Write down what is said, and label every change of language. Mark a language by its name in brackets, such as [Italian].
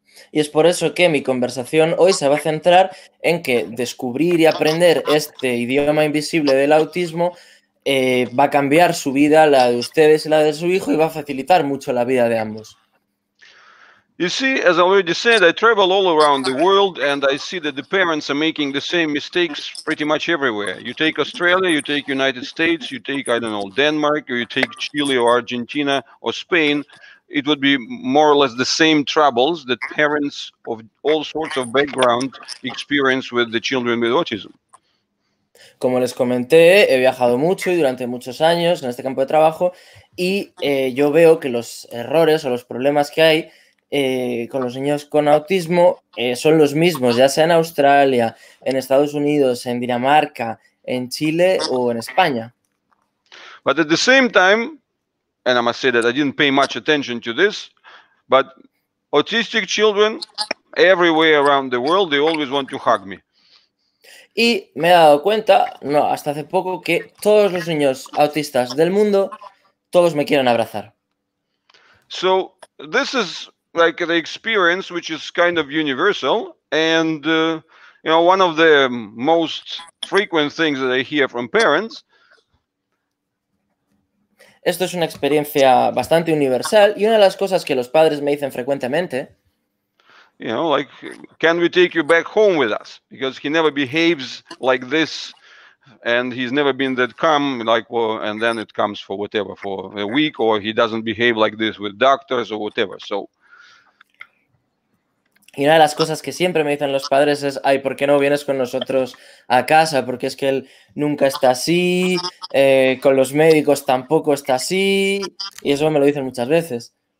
[Spanish] Y es por eso que mi conversación hoy se va a centrar en que descubrir y aprender este idioma invisible del autismo va a cambiar su vida, la de ustedes y la de su hijo, y va a facilitar mucho la vida de ambos. [English] You see, as I already said, I travel all around the world and I see that the parents are making the same mistakes pretty much everywhere. You take Australia, you take United States, you take, I don't know, Denmark, or you take Chile or Argentina or Spain, it would be more or less the same troubles that parents of all sorts of backgrounds experience with the children with autism. [Spanish] Como les comenté, he viajado mucho y durante muchos años en este campo de trabajo y yo veo que los errores o los problemas que hay con los niños con autismo son los mismos, ya sea en Australia, en Estados Unidos, en Dinamarca, en Chile o en España. [English] But at the same time, and I must say that I didn't pay much attention to this, but autistic children everywhere around the world, they always want to hug me. [Spanish] Y me he dado cuenta, no, hasta hace poco, que todos los niños autistas del mundo, todos me quieren abrazar. [English] So, this is like the experience which is kind of universal, and you know, one of the most frequent things that I hear from parents. [Spanish] Esto es una experiencia bastante universal, y una de las cosas que los padres me dicen frecuentemente. [English] You know, like, can we take you back home with us? Because he never behaves like this, and he's never been that calm, like, well, and then it comes for whatever, for a week, or he doesn't behave like this with doctors or whatever, so. [Spanish] Y una de las cosas que siempre me dicen los padres es, ay, ¿por qué no vienes con nosotros a casa? Porque es que él nunca está así, con los médicos tampoco está así, y eso me lo dicen muchas veces.